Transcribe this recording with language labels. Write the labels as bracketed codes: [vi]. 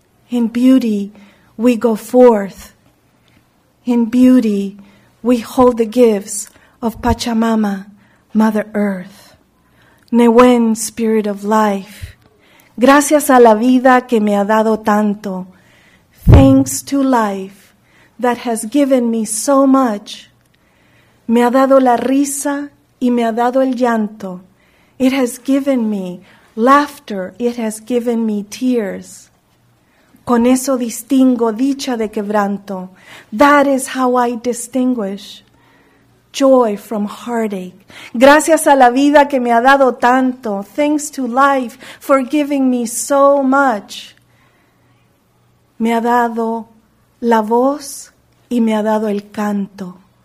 [en] In beauty, we go forth. In beauty, we hold the gifts of Pachamama, Mother Earth. [es] Newen, spirit of life, gracias a la vida que me ha dado tanto. [en] Thanks to life that has given me so much. [es] Me ha dado la risa y me ha dado el llanto. [en] It has given me laughter. It has given me tears. [es] Con eso distingo dicha de quebranto. [en] That is how I distinguish joy from heartache. [es] Gracias a la vida que me ha dado tanto. [en] Thanks to life for giving me so much. [es] Me ha dado la voz y me ha dado el canto.